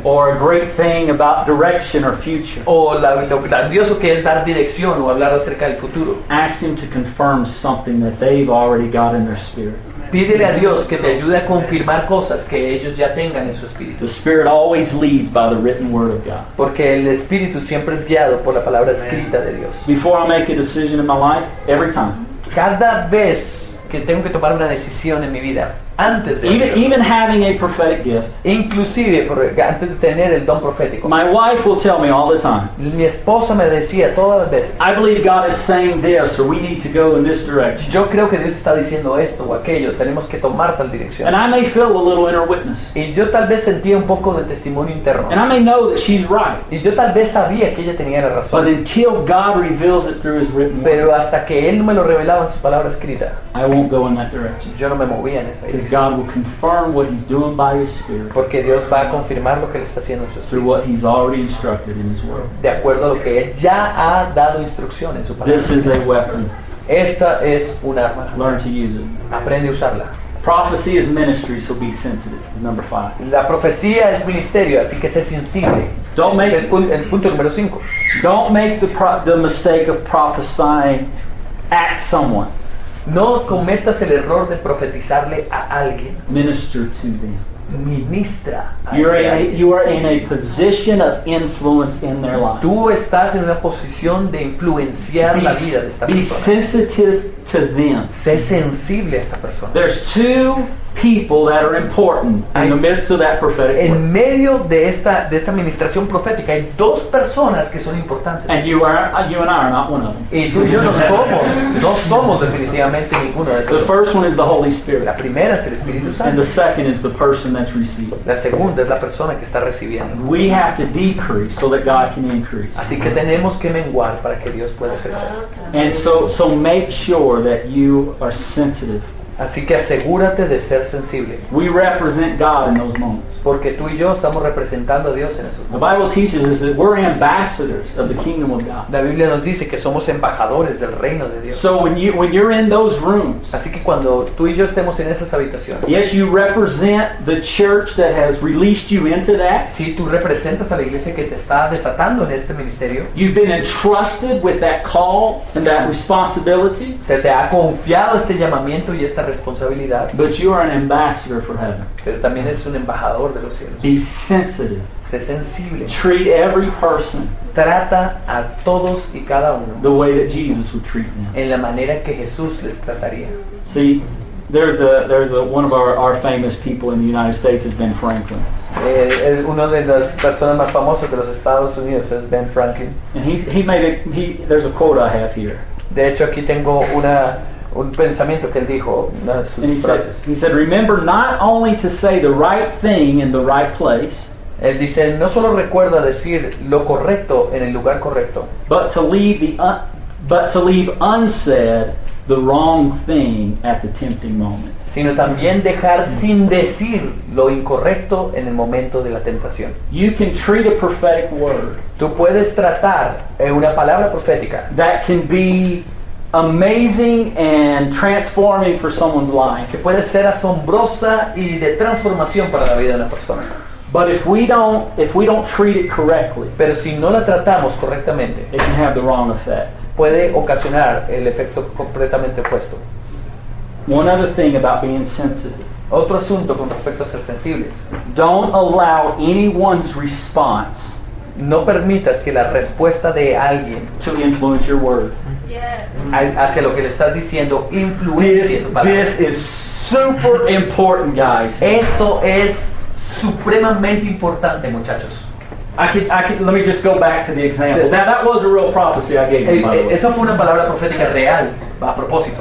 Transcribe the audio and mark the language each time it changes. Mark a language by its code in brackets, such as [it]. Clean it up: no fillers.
[en] Or a great thing about direction or future. [es] O lo grandioso que es dar dirección o hablar acerca del futuro. [en] Ask Him to confirm something that they've already got in their spirit. [es] Pídele a Dios que te ayude a confirmar cosas que ellos ya tengan en su espíritu. [en] The Spirit always leads by the written word of God. [es] Porque el espíritu siempre es guiado por la palabra escrita de Dios. [en] Before I make a decision in my life, every time. [es] Cada vez que tengo que tomar una decisión en mi vida, antes de [en] even, even having a prophetic gift, [es] inclusive antes de tener el don profético, [en] my wife will tell me all the time, [es] mi esposa me decía todas las veces, [en] I believe God is saying this, or we need to go in this direction. [es] Yo creo que Dios está diciendo esto o aquello, tenemos que tomar tal dirección. [en] And I may feel a little inner witness. [es] Y yo tal vez sentía un poco de testimonio interno. [en] And I may know that she's right. [es] Y yo tal vez sabía que ella tenía la razón. [en] But until God reveals it through His written word, [es] pero hasta que Él me lo revelaba en su palabra escrita, [en] I won't go in that direction. [es] Yo no me movía en esa dirección. [en] Because God will confirm what He's doing by His Spirit. [es] Porque Dios va a confirmar lo que le está haciendo en su Espíritu. [en] Through what He's already instructed in His Word. [es] De acuerdo a lo que Él ya ha dado instrucción en su palabra. [en] This is a weapon. [es] Esta es un arma. [en] Learn to use it. [es] Aprende a usarla. [en] Prophecy is ministry, so be sensitive. Number 5. [es] La profecía es ministerio, así que sé sensible. [en] Don't make [es] el punto número 5. [en] Don't make the mistake of prophesying at someone. [es] No cometas el error de profetizarle a alguien. [en] Minister to them. [es] Ministra. [en] You are in a position of influence in their life. [es] Tú estás en una posición de influenciar la vida de esta persona. [en] Be sensitive to them. [es] Sé sensible a esta persona. [en] There's two people that are important in the midst of that prophetic. [es] En medio de esta administración profética hay dos personas que son importantes. [en] And you and I are not one of them. [es] Y tú y yo no somos definitivamente ninguno de esos. [en] The first one is the Holy Spirit. [es] La primera es el Espíritu Santo. [en] And the second is the person that's receiving. [es] La segunda es la persona que está recibiendo. [en] We have to decrease so that God can increase. [es] Así que tenemos que menguar para que Dios pueda crecer. [en] And so make sure that you are sensitive. [es] Así que asegúrate de ser sensible. [en] We represent God in those moments. [es] Porque tú y yo estamos representando a Dios en esos momentos. [en] The Bible teaches us that we're ambassadors of the kingdom of God. [es] La Biblia nos dice que somos embajadores del reino de Dios. [en] So when you're in those rooms, [es] así que cuando tú y yo estemos en esas habitaciones, [en] yes, you represent the church that has released you into that. [es] Si tú representas a la iglesia que te está desatando en este ministerio, [en] you've been entrusted with that call and that responsibility. [es] Se te ha confiado este llamamiento y esta responsabilidad. [en] But you are an ambassador for heaven. [es] Pero también eres un embajador de los cielos. [en] Be sensitive. [es] Sé sensible. [en] Treat every person. [es] Trata a todos y cada uno. [en] The way that Jesus would treat them. [es] En la manera que Jesús les trataría. [en] See, there's a one of our famous people in the United States is Ben Franklin. [es] Uno de las personas más famosas de los Estados Unidos es Ben Franklin. [en] And he there's a quote I have here. [es] De hecho, aquí tengo un pensamiento que él dijo, [en] he said, remember not only to say the right thing in the right place, [es] él dice, no solo recuerda decir lo correcto en el lugar correcto, [en] but to leave unsaid the wrong thing at the tempting moment, [es] sino también dejar sin decir lo incorrecto en el momento de la tentación. [en] You can treat a prophetic word, [es] tú puedes tratar una palabra profética [en] that can be amazing and transforming for someone's life, [es] que puede ser asombrosa y de transformación para la vida de una persona. [en] But if we don't treat it correctly, [es] pero si no la tratamos correctamente, [en] it can have the wrong effect. [es] Puede ocasionar el efecto completamente opuesto. [en] One other thing about being sensitive. [es] Otro asunto con respecto a ser sensibles. [en] Don't allow anyone's response. [es] No permitas que la respuesta de alguien [en] to influence your word. Yes. [es] Hacia lo que le estás diciendo influencia tu palabra. [en] This is super important, guys. [es] Esto es supremamente importante, muchachos. [en] I can, let me just go back to the example. Now, that was a real prophecy I gave you, by the way. [es] Eso fue una palabra profética real, a propósito.